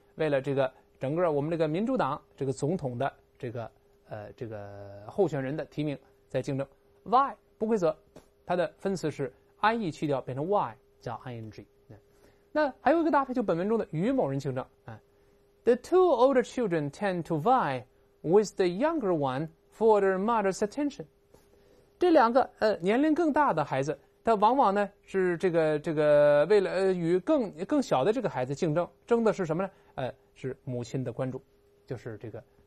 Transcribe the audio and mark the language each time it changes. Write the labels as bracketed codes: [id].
[zh] 为了这个整个我们这个民主党这个总统的这个。这个候选人的提名在竞争 ，why 不规则，它的分词是 ie 去掉变成 why 加 ing。那还有一个搭配，就本文中的与某人竞争啊。 [en] The two older children tend to vie with the younger one for their mother's attention。 [zh] 这两个年龄更大的孩子，他往往呢是这个为了与更小的这个孩子竞争，争的是什么呢？是母亲的关注，就是这个。